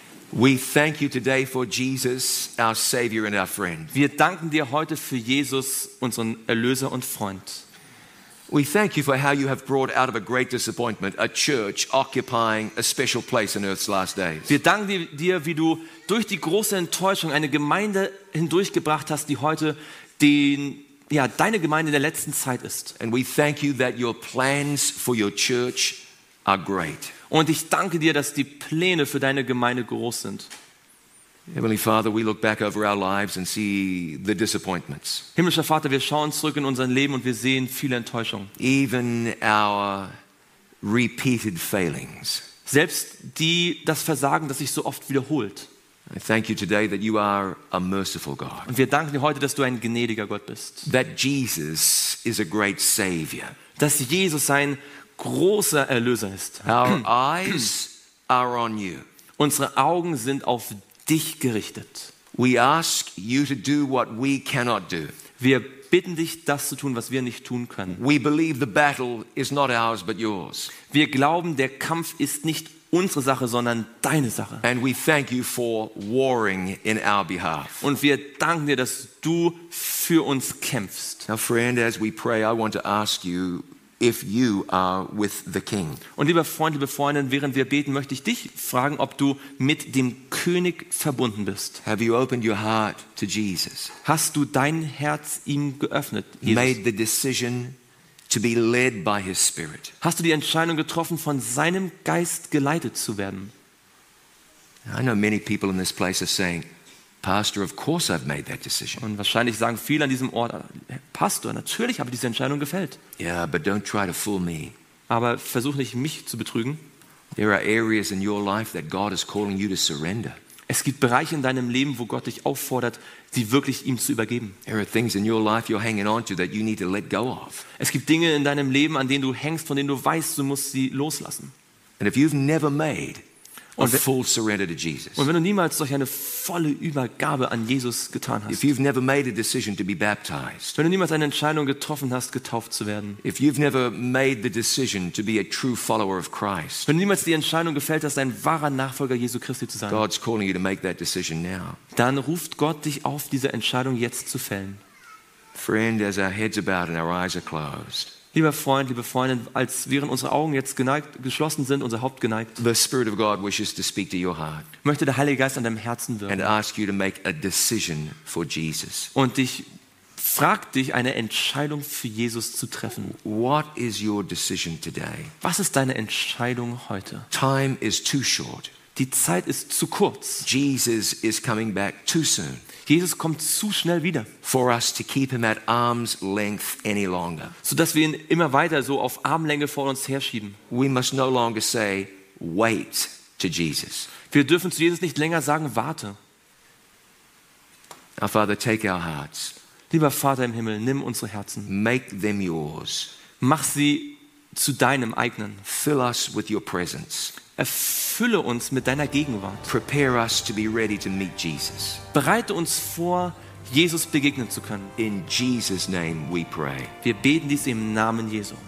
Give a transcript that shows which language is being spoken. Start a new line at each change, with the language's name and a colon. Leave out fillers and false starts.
English: We thank you today for Jesus, our Savior and our friend.
German: Wir danken dir heute für Jesus, unseren Erlöser und Freund.
English: We thank you for how you have brought out of a great disappointment a church occupying a special place in Earth's last days.
German: Wir danken dir, wie du durch die große Enttäuschung eine Gemeinde hindurchgebracht hast, die heute deine Gemeinde in der letzten Zeit ist.
English: And we thank you that your plans for your church are great.
German: Und ich danke dir, dass die Pläne für deine Gemeinde groß sind.
English: Heavenly Father, we look back over our lives and see the disappointments.
German: Himmlischer Vater, wir schauen zurück in unser Leben und wir sehen viele Enttäuschungen.
English: Even our repeated failings.
German: Selbst das Versagen, das sich so oft wiederholt.
English: I thank you today that you are a merciful God.
German: Und wir danken dir heute, dass du ein gnädiger Gott bist.
English: That Jesus is a great Savior.
German: Dass Jesus ein großer Erlöser ist.
English: Our eyes are on you.
German: Unsere Augen sind auf dich gerichtet.
English: We ask you to do what we cannot do.
German: Wir bitten dich, das zu tun, was wir nicht tun können.
English: We believe the battle is not ours but yours.
German: Wir glauben, der Kampf ist nicht unsere Sache, sondern deine Sache.
English: And we thank you for warring in our behalf.
German: Und wir danken dir, dass du für uns kämpfst.
English: Now friend, as we pray, I want to ask you if you are with the king.
German: Und lieber Freund, liebe Freundin, während wir beten, möchte ich dich fragen, ob du mit dem König verbunden bist.
English: Have you opened your heart to Jesus?
German: Hast du dein Herz ihm geöffnet, Jesus?
English: Made the decision to be led by his spirit.
German: Hast du die Entscheidung getroffen, von seinem Geist geleitet zu werden?
English: I know many people in this place are saying, Pastor, of course I've made that decision.
German: Und wahrscheinlich sagen viele an diesem Ort, Pastor, natürlich habe ich diese Entscheidung gefällt.
English: Yeah, but don't try to fool me.
German: Aber versuch nicht, mich zu betrügen.
English: There are areas in your life that God is calling you to surrender.
German: Es gibt Bereiche in deinem Leben, wo Gott dich auffordert, sie wirklich ihm zu übergeben.
English: There are things in your life you're hanging on to that you need to let go of.
German: Es gibt Dinge in deinem Leben, an denen du hängst, von denen du weißt, du musst sie loslassen.
English: And if you've never made a full surrender to Jesus.
German: Und wenn du niemals durch eine volle Übergabe an Jesus getan hast.
English: If you've never made a decision to be baptized.
German: Wenn du niemals eine Entscheidung getroffen hast, getauft zu werden.
English: If you've never made the decision to be a true follower of Christ.
German: Wenn du niemals die Entscheidung gefällt hast, ein wahrer Nachfolger Jesu Christi zu sein.
English: God's calling you to make that decision now.
German: Dann ruft Gott dich auf, diese Entscheidung jetzt zu fällen.
English: Friend, as our heads are bowed and our eyes are closed.
German: Lieber Freund, liebe Freundin, als während unsere Augen jetzt geschlossen sind, unser Haupt geneigt,
English: the Spirit of God wishes to speak to your heart,
German: möchte der Heilige Geist an deinem Herzen wirken
English: and ask you to make a decision for Jesus.
German: Und dich fragt dich, eine Entscheidung für Jesus zu treffen.
English: What is your decision today?
German: Was ist deine Entscheidung heute?
English: Time is too short.
German: Die Zeit ist zu kurz.
English: Jesus is coming back too soon.
German: Jesus kommt zu schnell wieder.
English: For us to keep him at arm's length any longer.
German: So dass wir ihn immer weiter so auf Armlänge vor uns herschieben.
English: We must no longer say wait to Jesus.
German: Wir dürfen zu Jesus nicht länger sagen warte.
English: Our Father, take our hearts.
German: Lieber Vater im Himmel, nimm unsere Herzen.
English: Make them yours.
German: Mach sie zu deinem eigenen.
English: Fill us with your presence.
German: Erfülle uns mit deiner Gegenwart.
English: Prepare us to be ready to meet Jesus.
German: Bereite uns vor, Jesus begegnen zu können.
English: In Jesus' name we pray.
German: Wir beten dies im Namen Jesu.